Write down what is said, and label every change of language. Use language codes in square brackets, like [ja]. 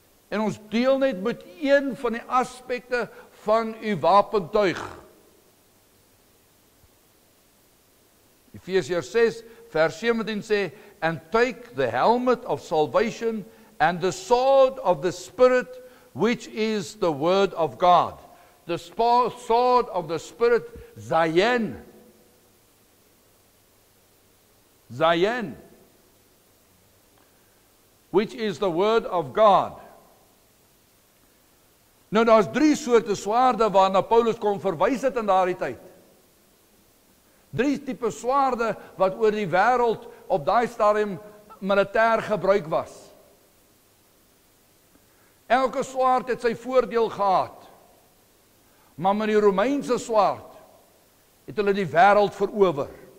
[af] En ons deel net met een van die aspekte van uw wapentuig. Efesiërs 6 vers 17 sê, [en] and take the helmet of salvation and the sword of the Spirit, which is the word of God. The sword of the Spirit, Zayen. Zayen. Which is the word of God. [af] Nou, daar is drie soorte swaarde waarna Paulus kon verwys het in daardie tyd. Drie type swaarde wat oor die wêreld op daai stadium militêr gebruik was. Elke swaard het sy voordeel gehad. Maar met die Romeinse swaard het hulle die wêreld verower.